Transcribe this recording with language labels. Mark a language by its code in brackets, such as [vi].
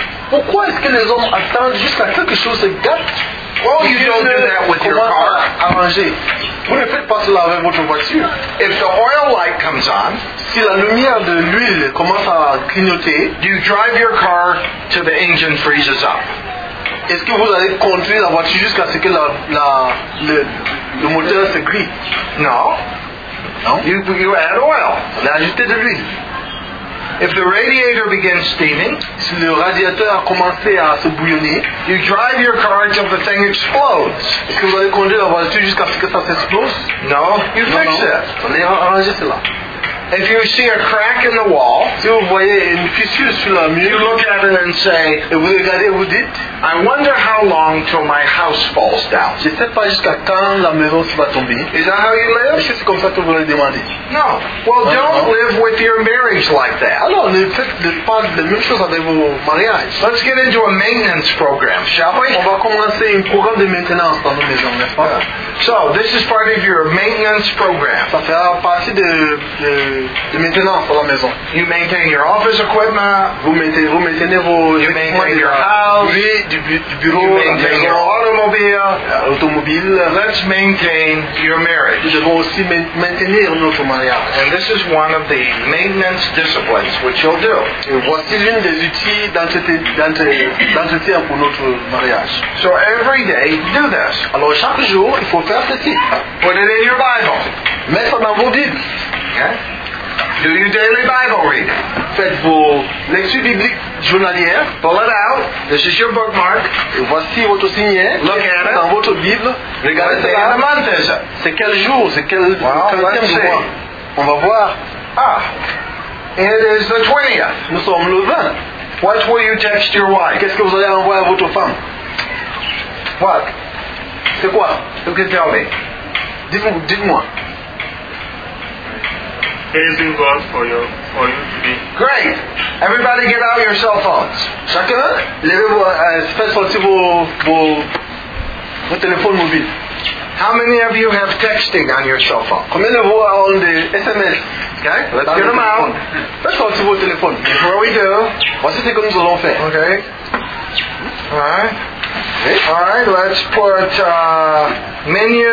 [fr] Pourquoi est-ce que les hommes attendent jusqu'à quelque chose se gâte? [en] Well, you don't do that with your car. [fr] Arranger. Vous ne faites pas cela avec votre voiture. [en] If the oil light comes on, [fr] si la lumière de l'huile commence à clignoter, [en] do you drive your car till the engine freezes up? [fr] Est-ce que vous allez conduire la voiture jusqu'à ce que le moteur se grille? Non. Non. [en] You add oil. [fr] On a ajouté de l'huile. [en] If the radiator begins steaming, [fr] si le radiateur a commencé à se bouillonner, [en] you drive your car until the thing explodes. [fr] Est-ce que vous allez conduire la voiture jusqu'à ce que ça s'explose? Non. [en] You [fr] non, [en] fix [fr] non. [en] it. [fr] On a arrangé cela. [en] If you see a crack in the wall, [fr] si vous voyez une fissure sur la mur, [en] you look at it and say, [fr] et vous regardez, vous dites, [en] I wonder how long till my house falls down. [fr] Je sais pas jusqu'à quand la maison va tomber. [en] Is that how you live? [fr] Est-ce que c'est comme ça que vous le demandez? [en] No. Well, don't live with your marriage like that. [fr] Alors, ne faites pas la même chose avec vos mariages. [en] Let's get into a maintenance program, shall we? [fr] On va commencer un programme de maintenance dans nos maisons, n'est-ce pas? [en] Yeah. So, this is part of your maintenance program. [fr] Ça fait partie de maintenance à la maison. [en] You maintain your office equipment. [fr] Vous maintenez vos [en] maintenance your house. [fr] Du bureau. [en] You maintain your automobile. [fr] Automobile. [en] Let's maintain your marriage. [fr] Nous devons aussi maintenir notre mariage. [en] And this is one of the maintenance disciplines which you'll do. [fr] Et voici l'une des outils d'entretien pour notre mariage. [en] So every day, do this. [fr] Alors chaque jour, il faut faire ceci. [en] Put it in your Bible. [fr] Mets ça dans vos Bibles. [en] Do your daily Bible reading. [fr] Faites vos lectures bibliques journalières. [en] Pull it out. This is your bookmark. [fr] Et voici votre signé. [en] Look at [fr] dans [en] it. [fr] Dans votre Bible. Regardez ça. [en] What day of the month is it? [fr] C'est quel jour? C'est quel quatrième [en] well, [fr] mois? On va voir. [en] Ah, it is the 20th. [fr] Nous sommes le 20. [en] What will you text your wife? [fr] Qu'est-ce que vous allez envoyer à votre femme? [en] What? [fr] C'est quoi? [en] Who can tell me? [fr] Dites-moi. [en] Praising God for you to be. Great! Everybody get out your cell phones. [fr] Chacun, levez-vous, faites sortir vos téléphones mobiles. [en] How many of you have texting on your cell phone? [fr] Combien de vous avez des SMS? [en] Okay, let's get them out. [fr] Faites sortir vos téléphones. [en] Before we do, [fr] voici ce que nous allons faire. [en] Okay. Alright. Alright, let's put menu.